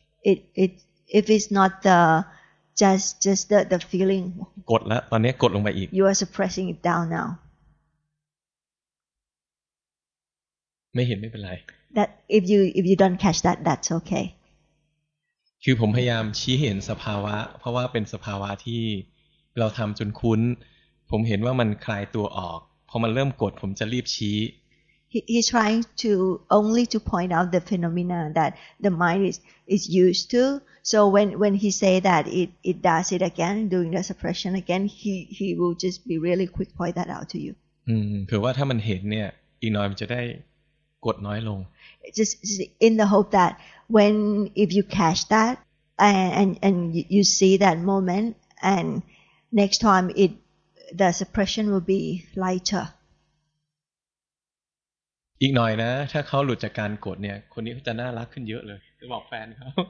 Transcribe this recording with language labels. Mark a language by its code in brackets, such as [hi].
[en] It if it's not the just the feeling. [th] กดแล้วตอนนี้กดลงไปอีก [en] You are suppressing it down now. [th] ไม่เห็นไม่เป็นไร [en] That if you don't catch that that's okay. [th] คือผมพยายามชี้เห็นสภาวะเพราะว่าเป็นสภาวะที่เราทำจนคุ้นผมเห็นว่ามันคลายตัวออกพอมันเริ่มกดผมจะรีบชี้ [en] He's trying to only to point out the phenomena that the mind is used to so when he say that it does it again doing the suppression again he will just be really quick point that out to you [th] คือว่าถ้ามันเห็นเนี่ยอีกหน่อยมันจะได้กดน้อยลง [en] just in the hope thatWhen if you catch that and you see that moment and next time the suppression will be lighter. [th] อีกหน่อยนะถ้าเขาหลุดจากการกดเนี่ยคนนี้จะน่ารักขึ้นเยอะเลยจะบอกแฟนเขา